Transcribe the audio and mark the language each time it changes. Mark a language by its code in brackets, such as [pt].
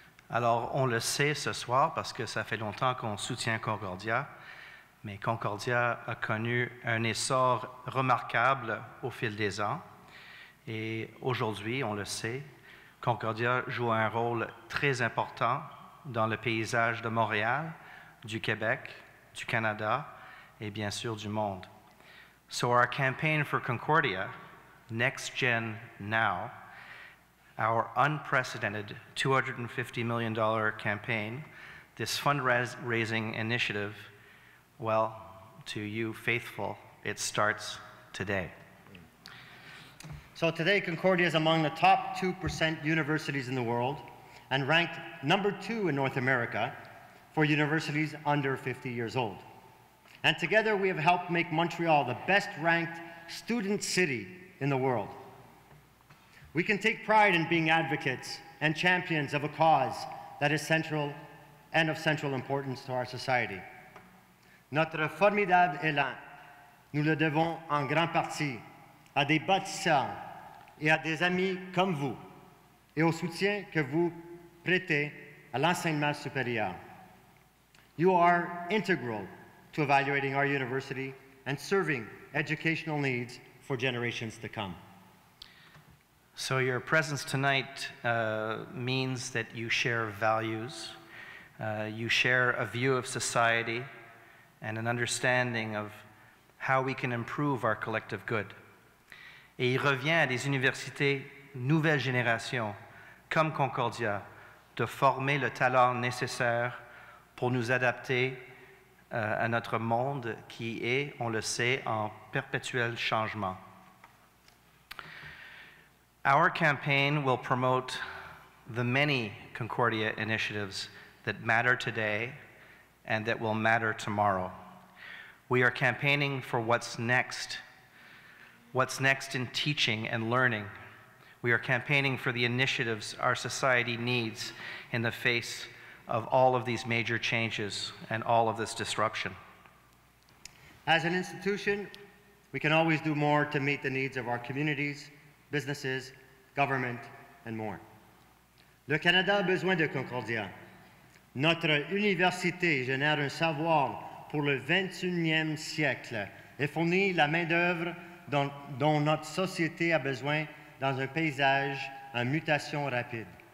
[fr] Alors, on le sait ce soir parce que ça fait longtemps qu'on soutient Concordia, mais Concordia a connu un essor remarquable au fil des ans. Et aujourd'hui, on le sait, Concordia joue un rôle très important dans le paysage de Montréal, du Québec, du Canada, et bien sûr du monde. [en] So our campaign for Concordia, Next Gen Now, our unprecedented $250 million campaign, this fundraising initiative, well, to you faithful, it starts today. So today, Concordia is among the top 2% universities in the world and ranked number 2 in North America for universities under 50 years old. And together, we have helped make Montreal the best-ranked student city in the world. We can take pride in being advocates and champions of a cause that is central and of central importance to our society. [fr] Notre formidable élan, nous le devons en grande partie à des bâtisseurs et à des amis comme vous, et au soutien que vous prêtez à l'enseignement supérieur. [en] You are integral to evaluating our university and serving educational needs for generations to come. So your presence tonight means that you share values, you share a view of society and an understanding of how we can improve our collective good. [fr] Et il revient à des universités nouvelle génération, comme Concordia, de former le talent nécessaire pour nous adapter à notre monde qui est, on le sait, en perpétuel changement. [en] Our campaign will promote the many Concordia initiatives that matter today and that will matter tomorrow. We are campaigning for what's next. What's next in teaching and learning? We are campaigning for the initiatives our society needs in the face of all of these major changes and all of this disruption. As an institution, we can always do more to meet the needs of our communities, businesses, government, and more. [fr] Le Canada a besoin de Concordia. Notre université génère un savoir pour le 21e siècle et fournit la main-d'œuvre dont notre société a besoin dans un paysage en mutation rapide.